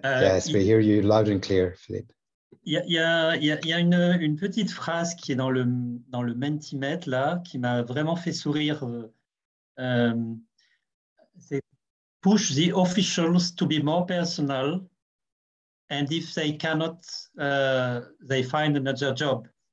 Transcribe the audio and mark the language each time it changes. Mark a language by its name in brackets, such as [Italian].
[English] Yes, we hear you loud and clear, Philippe. [French] Il y a une petite phrase qui est dans le Mentimeter là, qui m'a vraiment fait sourire. C'est [English] push the officials to be more personal, and if they cannot, they find another job.